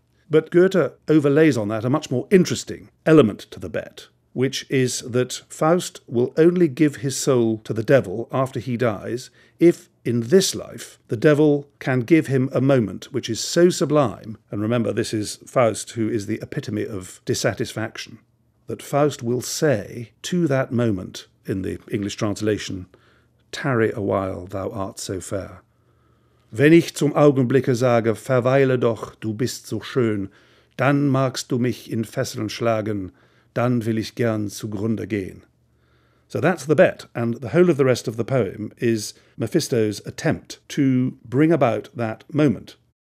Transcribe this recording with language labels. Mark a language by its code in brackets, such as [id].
[en] But Goethe overlays on that a much more interesting element to the bet, which is that Faust will only give his soul to the devil after he dies if, in this life, the devil can give him a moment which is so sublime, and remember this is Faust who is the epitome of dissatisfaction, that Faust will say to that moment, in the English translation, "Tarry a while, thou art so fair." [de] Wenn ich zum Augenblicke sage, verweile doch, du bist so schön, dann magst du mich in Fesseln schlagen, dann will ich gern zugrunde gehen. [en] So that's the bet, and the whole of the rest of the poem is Mephisto's attempt to bring about that moment.